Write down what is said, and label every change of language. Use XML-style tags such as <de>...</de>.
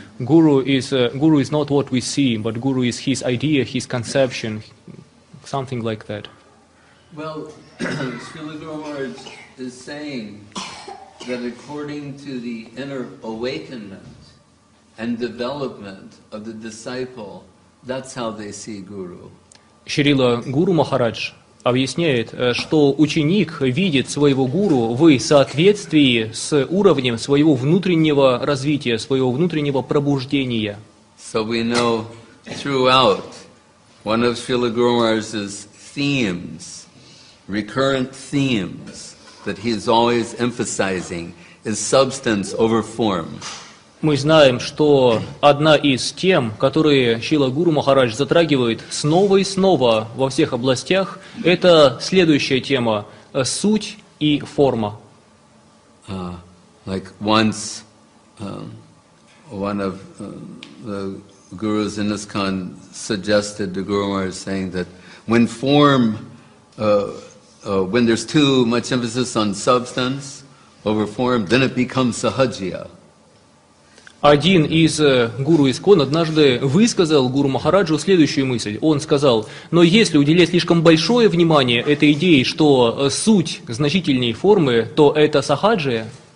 <en>Guru is not what we see, but guru is his idea, his conception, something like that. Well, Srila Guru Maharaj is saying that according to the inner awakenment and development of the disciple, that's how they see guru.</en> <ru>Шрила Гуру Махарадж объясняет, что ученик видит своего гуру в соответствии с уровнем своего внутреннего развития, своего внутреннего пробуждения.</ru> <en>So we know throughout one of Srila Guru Maharaj's themes, recurrent themes that he is always emphasizing is substance over form.</en> <ru>Мы знаем, что одна из тем, которые Шрила Гуру Махарадж затрагивает снова и снова во всех областях, это следующая тема – суть и форма.</ru> <en>Like once one of the gurus in ISKCON suggested to Guru Maharaj saying that when form, when there's too much emphasis on substance over form, then it becomes sahajya.</en> <ru>Один из гуру ИСККОН однажды высказал гуру Махараджу следующую мысль. Он сказал, но если уделять слишком большое внимание этой идее, что суть значительней формы, то это сахаджия.</ru>